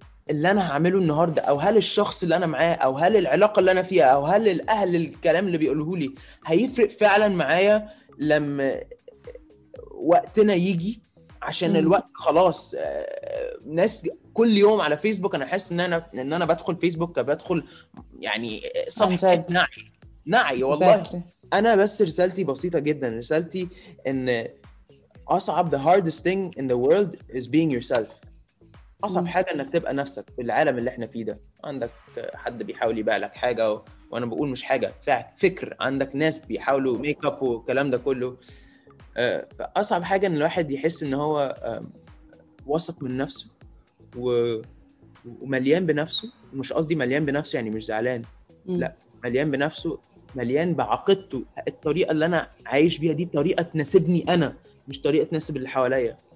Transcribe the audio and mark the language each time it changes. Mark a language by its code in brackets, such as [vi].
[ar] اللي انا هعمله النهاردة او هل الشخص اللي انا معاه او هل العلاقة اللي انا فيها او هل الاهل الكلام اللي بيقوله لي هيفرق فعلا معايا لما وقتنا يجي؟ عشان الوقت خلاص، ناس كل يوم على فيسبوك، انا حس ان انا بدخل فيسبوك بدخل يعني صفحة نعي والله. انا بس رسالتي بسيطه جدا، رسالتي ان اصعب [en] the hardest thing in the world is being yourself. [ar] اصعب حاجه انك تبقى نفسك في العالم اللي احنا فيه ده، عندك حد بيحاول يبيع لك حاجه، وانا بقول مش حاجه فكر، عندك ناس بيحاولوا ميك اب والكلام ده كله. اصعب حاجه ان الواحد يحس ان هو واثق من نفسه ومليان بنفسه، مش قصدي مليان بنفسه يعني مش زعلان، لا، مليان بنفسه، مليان بعقيدته، الطريقة اللي أنا عايش بيها دي طريقة تناسبني أنا مش طريقة تناسب اللي حواليا.